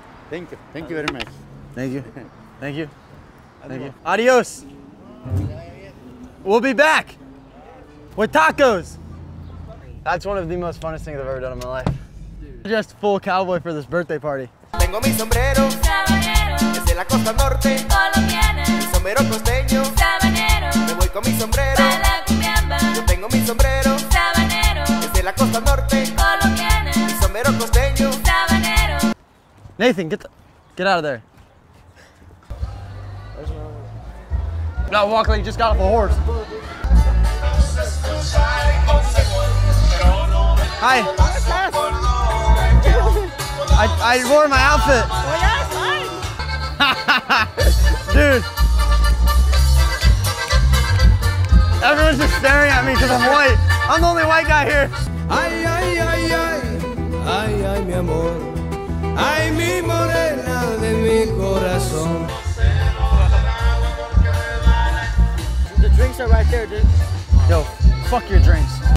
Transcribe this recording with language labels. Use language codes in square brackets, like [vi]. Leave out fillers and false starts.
[en] Thank you. Thank you very much. Thank you. Thank you. Thank you. Adios. We'll be back with tacos. That's one of the most funnest things I've ever done in my life. Just full cowboy for this birthday party. [es] Tengo mi sombrero, sabanero, desde la costa norte, colombiana, mi sombrero costeño, sabanero, me voy con mi sombrero, pa' la cumbiamba. Yo tengo mi sombrero, sabanero, desde la costa norte, colombiana, mi sombrero costeño, sabanero. [en] Nathan, get out of there. No, walk like you just got off a horse. Hi. I wore my outfit. Well, yeah, it's fine. Dude. Everyone's just staring at me because I'm white. I'm the only white guy here. [es] Ay, ay, ay, ay. Ay, ay, mi amor. Ay, mi morena de mi corazón. [en] The drinks are right there, dude. Yo, fuck your drinks.